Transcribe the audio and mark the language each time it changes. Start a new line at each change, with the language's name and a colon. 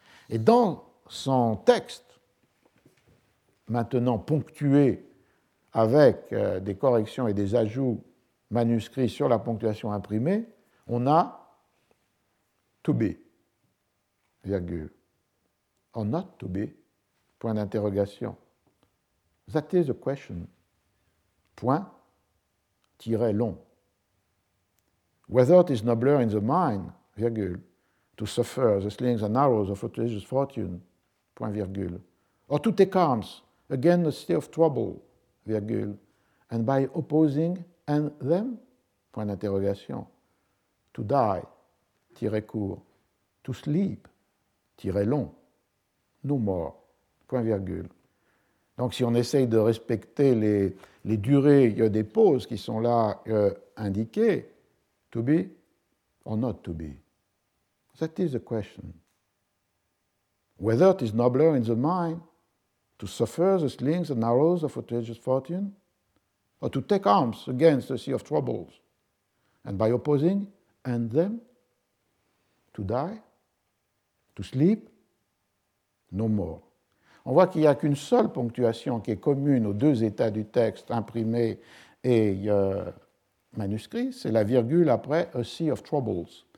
French: Et dans son texte, maintenant ponctué avec des corrections et des ajouts manuscrits sur la ponctuation imprimée, on a «
English: to be
French: », virgule, «
English: or not to be
French: », point d'interrogation.
English: « That is a question »,
French: point, tiret long.
English: « Whether it is nobler in the mind »,
French: virgule,
English: « to suffer the slings and arrows of outrageous fortune »,
French: point, virgule,
English: « or to take arms against the sea of trouble », virgule, « and by opposing and them,
French: point d'interrogation,
English: to die,
French: tiret court,
English: to sleep,
French: tiret long,
English: no more,
French: point virgule. Donc si on essaye de respecter les durées des pauses qui sont là indiquées,
English: to be or not to be, that is the question. Whether it is nobler in the mind to suffer the slings and arrows of outrageous fortune, or to take arms against the sea of troubles, and by opposing and them, to die, to sleep, no more.
French: On voit qu'il n'y a qu'une seule ponctuation qui est commune aux deux états du texte imprimé et manuscrit, c'est la virgule après
English: a sea of troubles.